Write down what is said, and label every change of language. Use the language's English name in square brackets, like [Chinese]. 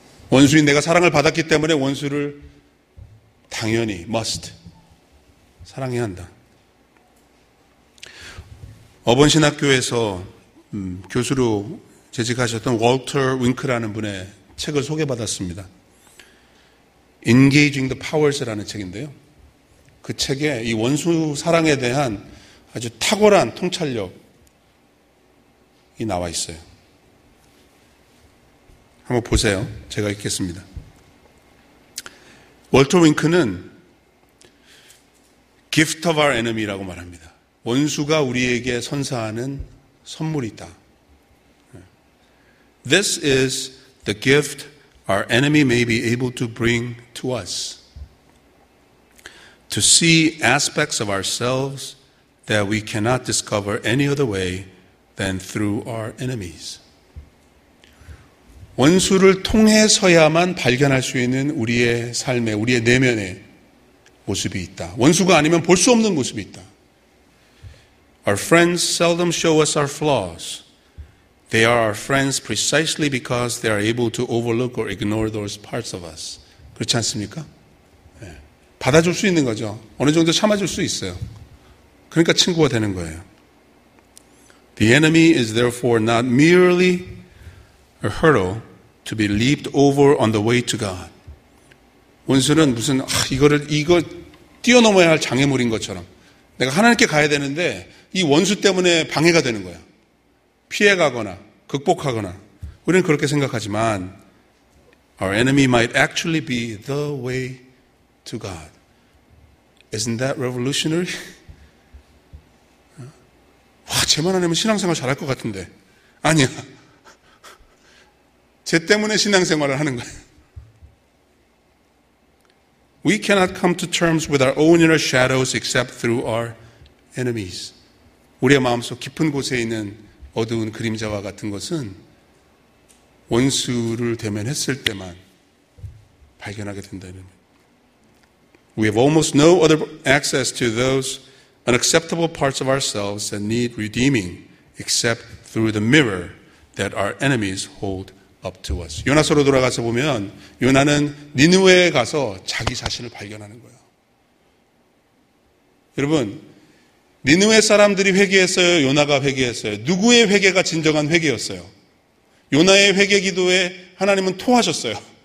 [Korean] 원수인 내가 사랑을 받았기 때문에 원수를 당연히 must 사랑해야 한다. 어번신학교에서 교수로 재직하셨던 월터 윙크라는 분의 책을 소개받았습니다. Engaging the Powers라는 책인데요. 그 책에 이 원수 사랑에 대한 아주 탁월한 통찰력이 나와 있어요. 한번 보세요. 제가 읽겠습니다. 월터 윙크는 [English] Gift of our enemy [Korean] 라고 말합니다. 원수가 우리에게 선사하는 선물이 있다. [English] This is the gift our enemy may be able to bring to us. To see aspects of ourselves that we cannot discover any other way than through our enemies. [Korean] 원수를 통해서야만 발견할 수 있는 우리의 삶에, 우리의 내면에 모습이 있다. 원수가 아니면 볼 수 없는 모습이 있다. [English] Our friends seldom show us our flaws. They are our friends precisely because they are able to overlook or ignore those parts of us. [Korean] 그렇지 않습니까? 네. 받아줄 수 있는 거죠. 어느 정도 참아줄 수 있어요. 그러니까 친구가 되는 거예요. [English] The enemy is therefore not merely a hurdle to be leaped over on the way to God. [Korean] 원수는 무슨 이거 뛰어넘어야 할 장애물인 것처럼 내가 하나님께 가야 되는데 이 원수 때문에 방해가 되는 거야. 피해가거나 극복하거나 우리는 그렇게 생각하지만 [English] Our enemy might actually be the way to God. Isn't that revolutionary? [Korean] 와, 쟤만 아니면 신앙생활 잘할 것 같은데. 아니야. 쟤 때문에 신앙생활을 하는 거야. [English] We cannot come to terms with our own inner shadows except through our enemies. [Korean] 우리의 마음속 깊은 곳에 있는 어두운 그림자와 같은 것은 원수를 대면했을 때만 발견하게 된다는 것. [English] We have almost no other access to those unacceptable parts of ourselves that need redeeming except through the mirror that our enemies hold up to us. [Korean] 요나서로 돌아가서 보면 요나는 니느웨에 가서 자기 자신을 발견하는 거예요. 여러분, 니느웨 사람들이 회개했어요? 요나가 회개했어요? 누구의 회개가 진정한 회개였어요? 요나의 회개 기도에 하나님은 토하셨어요.